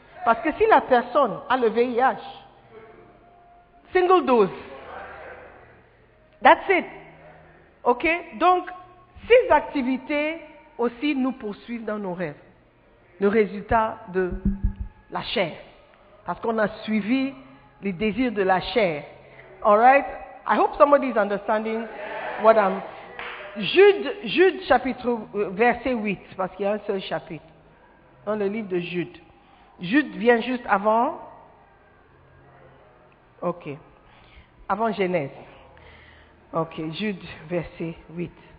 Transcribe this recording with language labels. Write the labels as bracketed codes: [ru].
[fr] Parce que si la personne a le VIH, [en] single dose, that's it. [fr] Ok? Donc, ces activités aussi nous poursuivent dans nos rêves. Le résultat de la chair. Parce qu'on a suivi les désirs de la chair. [en] Alright? I hope somebody is understanding what I'm... [fr] Jude chapitre, verset 8, parce qu'il y a un seul chapitre dans le livre de Jude. Jude vient juste avant. Ok. Avant Genèse. Ok, Jude, verset 8.